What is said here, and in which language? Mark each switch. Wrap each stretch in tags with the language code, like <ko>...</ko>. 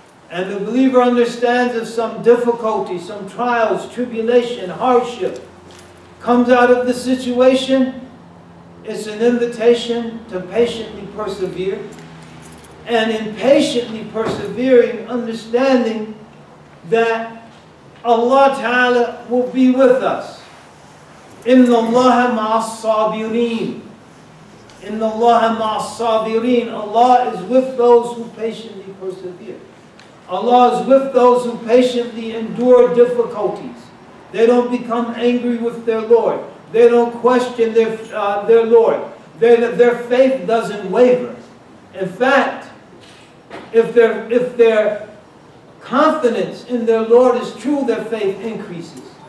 <en>And the believer understands if some difficulty, some trials, tribulation, hardship comes out of the situation, it's an invitation to patiently persevere. And in patiently persevering, understanding that Allah Ta'ala will be with us.</en> <ar>إِنَّ اللَّهَ مَعَ الصَّابِرِينَ إِنَّ اللَّهَ مَعَ الصَّابِرِينَ</ar> <en>Allah is with those who patiently persevere. Allah is with those who patiently endure difficulties. They don't become angry with their Lord. They don't question their Lord. Their faith doesn't waver. In fact, if their confidence in their Lord is true, their faith increases.</en>